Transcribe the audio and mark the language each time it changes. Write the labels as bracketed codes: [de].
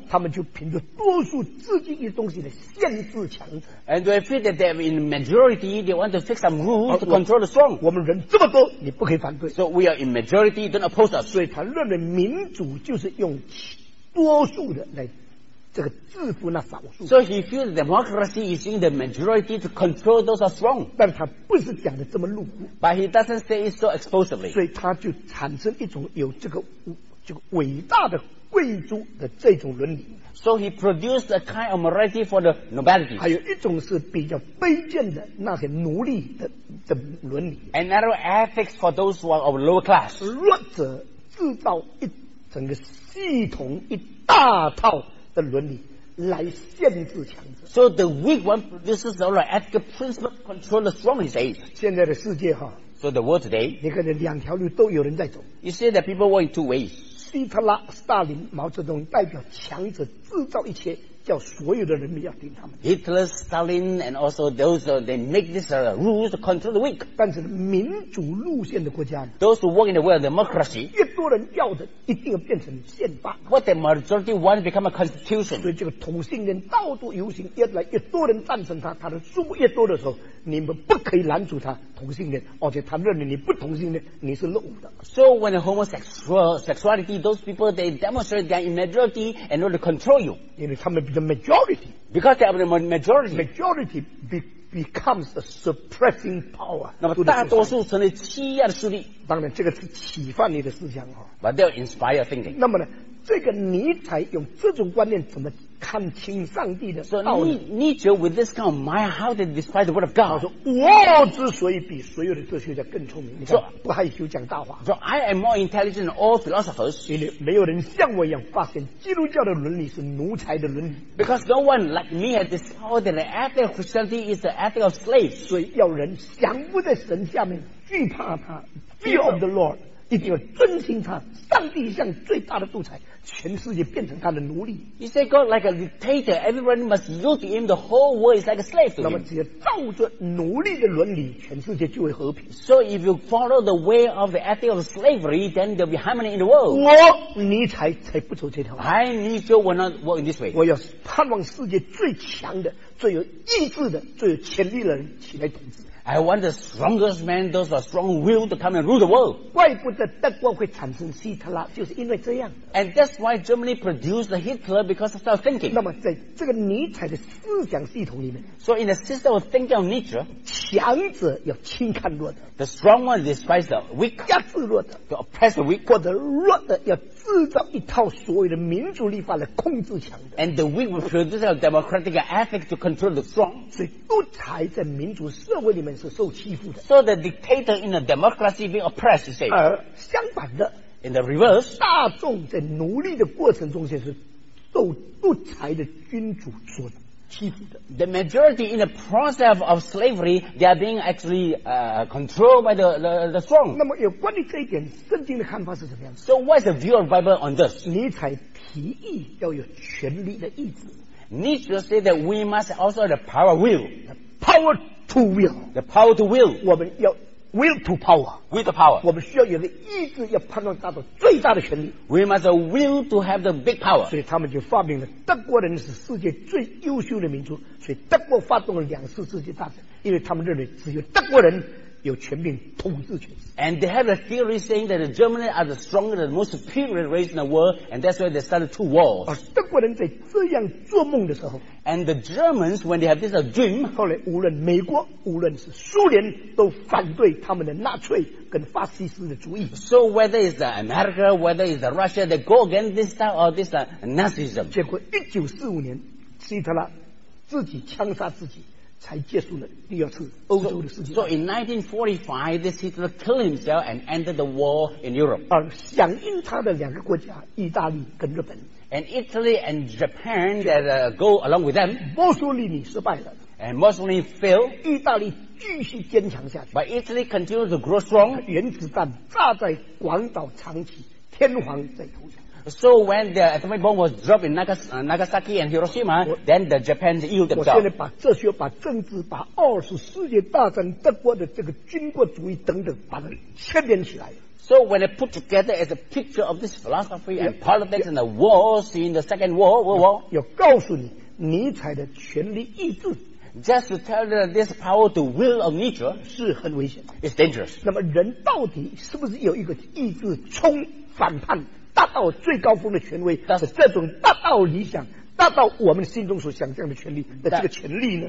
[zh] 他们就凭着多数自己的东西的限制强者。 [en] And they feel that they're in majority, they want to fix some rules to control the strong. [zh] 我们人这么多，你不可以反对。 [en] So we are in majority, don't oppose us. [zh] 所以他认为民主就是用多数的来。这个制服那少数。 [en] So he feels that democracy is using the majority to control those who are strong. [zh] 但他不是讲的这么露骨。 [en] But he doesn't say it so explicitly. [zh] 所以他就产生一种有这个伟大的贵族的这种伦理。 [en] So he produced a kind of morality for the nobility. [zh] 还有一种是比较卑贱的那些奴隶的伦理。 [en] Another ethics for those who are of lower class. [zh] 弱者制造一整个系统一大套。的伦理来限制强者。 [en] So the weak one produces all the ethical principle control the strong. He says. [zh] 现在的世界哈。 [en] So the world today. [zh] 你看，两条路都有人在走。 [en] You see that people walk in two ways. [zh] 希特拉、斯大林、毛泽东代表强者制造一切，叫所有的人民要听他们。 [en] Hitler, Stalin, and also those they make these rules to control the weak. [zh] 但是民主路线的国家。 [en] Those who walk in the way of democracy. [zh] 越多人要的，一定要变成宪法。 [en] What the majority wants become a constitution. [zh] 所以这个同性恋到处游行，越来越多人赞成他，他的数目越多的时候，你们不可以拦阻他同性恋，而且他认为你不同性恋，你是落伍的。 [en] So when the homosexuality, those people they demonstrate their immaturity in order to control you. [zh] 因为他们。 [en] The majority, because they are the majority, majority becomes a suppressing power. [zh] 那么大多数成了欺压的势力。当然，这个是启发你的思想哈。 [en] But they inspire thinking. [zh] 那么呢，这个尼采用这种观念怎么看清上帝的道理 [en] ？So Nietzsche with this kind of mind, how they despise the word of God? [zh] 说我之所以比所有的哲学家更聪明，你看 [en] so, [zh] 不害羞讲大话。 [en] So I am more intelligent than all philosophers. [zh] 因为没有人像我一样发现基督教的伦理是奴才的伦理。 [en] Because no one like me has discovered that the ethic of Christianity is the ethic of slaves. [zh] 所以要人降服在神下面，惧怕他 ， [en] fear of the Lord。 [zh] 一定要尊敬他，上帝像最大的独裁，全世界变成他的奴隶。 [en] He said God like a dictator, everyone must yield to him. The whole world is like a slave to him. [zh] 那么只要照着奴隶的伦理，全世界就会和平。 [en] So if you follow the way of the ethic of slavery, then there'll be harmony in the world. [zh] 我尼采才不走这条路。 [en] I Nietzsche will not walk in this way. [zh] 我要盼望世界最强的、最有意志的、最有潜力的人起来统治。 [en] I want the strongest man, those with strong will, to come and rule the world. [zh] 怪不得德国会产生希特拉，就是因为这样。 [en] And that's why Germany produced Hitler because of self thinking. [zh] 那么在这个尼采的思想系统里面 [en] ，So in the system of thinking of Nietzsche, [zh] 强者要轻看弱的 [en] ，The strong one despises the weak, [zh] 压制弱的 [en] ，To oppress the weak, [zh] 或者弱的要制造一套所谓的民主立法来控制强的。 [en] And the weak will produce a democratic ethic to control the strong. [zh] 所以独裁在民主社会里面。 [en] So the dictator in a democracy being oppressed, you say. [zh] 而相反的 [en] ，in the reverse, [zh] 大众在奴隶的过程中间是受独裁的君主所欺负的。 [en] The majority in the process of slavery, they are being actually controlled by the strong. [zh] 那么有关于这一点，圣经的看法是怎么样 [en] ？So what's the view of the Bible on this? [zh] 尼采提议要有权力的意志。 [en] Nietzsche said that we must also have the power of will. The power. To will, the power to will. [zh] 我们要 [en] will to power, with the power. [zh] 我们需要有的意志，要判断达到最大的权力。 [en] We must have will to have the big power. [zh] 所以他们就发明了德国人是世界最优秀的民族，所以德国发动了两次世界大战，因为他们认为只有德国人有全柄统治权。 [en] And they had a theory saying that the Germans are the strongest and most superior race in the world, and that's why they started two wars. [zh] 而德国人在这样做梦的时候 [en] ，And the Germans when they have this dream， [zh] 后来无论美国，无论是苏联，都反对他们的纳粹跟法西斯的主义。 [en] So whether it's America, whether it's Russia, they go against this style or this Nazism。 [zh] 结果1945年，希特拉自己枪杀自己。才结束了第二次欧洲的世界大战。 [en] So in 1945, this Hitler killed himself and ended the war in Europe. [zh] 而响应他的两个国家，意大利跟日本。 [en] And Italy and Japan that go along with them. [zh] 墨索里尼失败了。 [en] And Mussolini failed. [zh] 意大利继续坚强下去。 [en] But Italy continued to grow strong. [zh] 原子弹炸在广岛、长崎，天皇在投降。 [en] So when the atomic bomb was dropped in Nagasaki and Hiroshima, then the Japan yielded itself. [zh] 我现在把这些、把政治、把二次世界大战德国的这个军国主义等等，把它牵连起来。 [en] So when I put together as a picture of this philosophy and politics and the wars in the Second World War, [zh] 要告诉你尼采的权力意志。 [en] Just to tell you that this power to will of nature [zh] 是很危险。 [en] It's dangerous. [zh] 那么人到底是不是有一个意志冲反叛？达到最高峰的权威，是这种达到理想、达到我们心中所想象的权利的这个权利呢